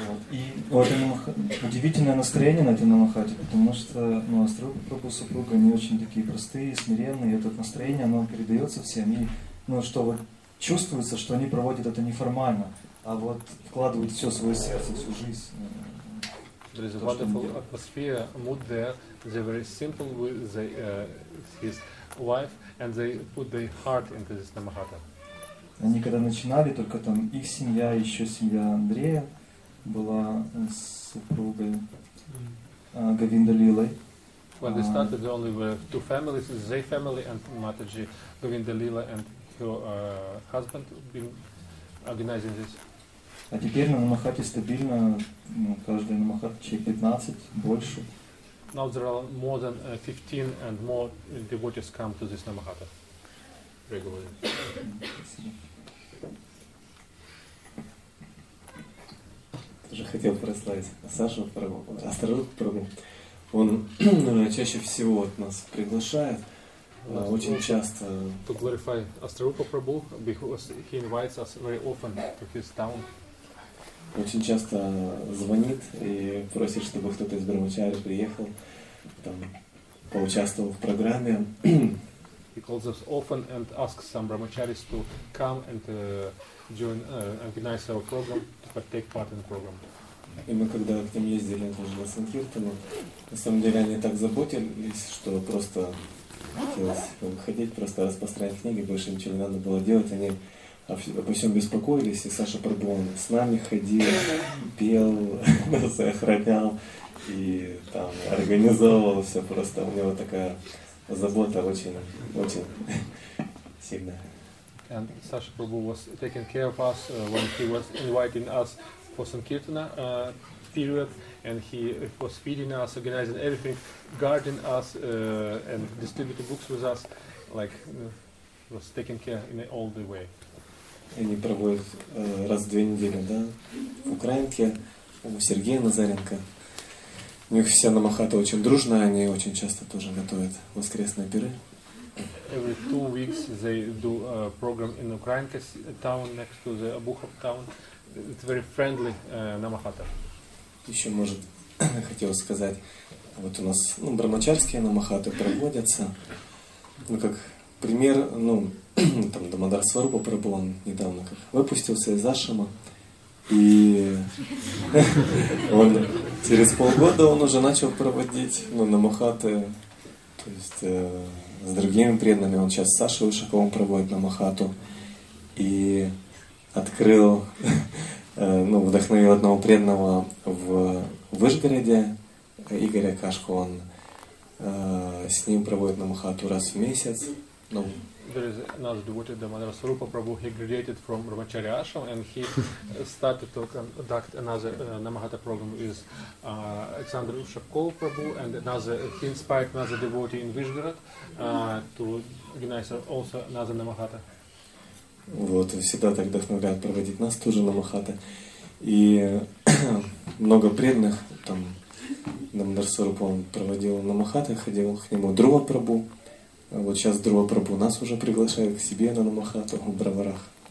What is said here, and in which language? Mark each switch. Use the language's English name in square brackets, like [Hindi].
[Russian] И вот это удивительное настроение на этой Намахате, потому что Астророга Прабху супруга, они очень такие простые, смиренные, и это настроение, оно передается всем. И что вот чувствуется, что они проводят это неформально, а вот вкладывают все свое сердце, всю жизнь. [English] There is a wonderful atmosphere, mood there. They're very simple with the his wife, and they put their heart into this Намахата. [Russian] Они когда начинали, только там их семья, еще семья Андрея была с супругой Говинда Лилой. [English] When they started, there only were two families, their family and Матаджи, Говинда Лила and her husband been organizing this. [Russian] А теперь на Намахате стабильно, каждый Намахат человек 15, больше. [English] Now there are more than 15 and more devotees come to this Намахата regularly. [Russian] Тоже хотел прославить Сашу Астророга. Он чаще всего от нас приглашает, очень часто. [English] To glorify Астророга Прабху, because he invites us very often to his town. [Russian] Очень часто звонит и просит, чтобы кто-то из Брахмачари приехал. Там, поучаствовал в программе. [English] He calls us often and asks some brahmacharis to come and join, organize our program, to take part in the program. [Russian] И мы когда к ним ездили, тоже на Санкиртану, на самом деле они так заботились, что просто хотелось выходить, просто распространять книги, больше ничего не надо было делать. Они обо всем беспокоились, и Саша Прабху с нами ходил, пел, нас охранял. И там организовывал все просто. У него такая забота очень сильная. [English] And Sasha Prabhu was taking care of us when he was inviting us for Sankirtana period, and he was feeding us, organizing everything, guarding us, and distributing books with us, like was taking care in all the way. [Russian] И они проводят раз в две недели, да, в Украинке у Сергея Назаренко. У них вся Намахата очень дружная, они очень часто тоже готовят воскресные пиры. [English] Every 2 weeks they do a program in Ukrainka town next to the Abukhov town. It's very friendly Намахата. [Russian] Еще может хотел сказать. Вот у нас брахмачарские намахаты проводятся. Ну, как пример, там Дамодар Сварупа Прабху, он недавно как выпустился из ашрама. И он через полгода он уже начал проводить намахаты. То есть с другими преданными. Он сейчас с Сашей Ушаковым проводит намахату. И открыл, вдохновил одного преданного в Вышгороде, Игоря Кашку. Он с ним проводит намахату раз в месяц. [English] There is another devotee, Damodar Swarupa Prabhu, he graduated from Brahmacharya Ashram and he started to conduct another Namahata program with Alexander Ushakov Prabhu, and he inspired another devotee in Vyshgorod to organize also another Namahata. [Russian] Вот, всегда так вдохновляют проводить нас тоже Намахата. И много преданных, там, Damodar Swarupa, он проводил Намахата, ходил к нему, Друва Прабу. Вот сейчас Друва Прабху нас уже приглашает к себе на намахату в Браварах.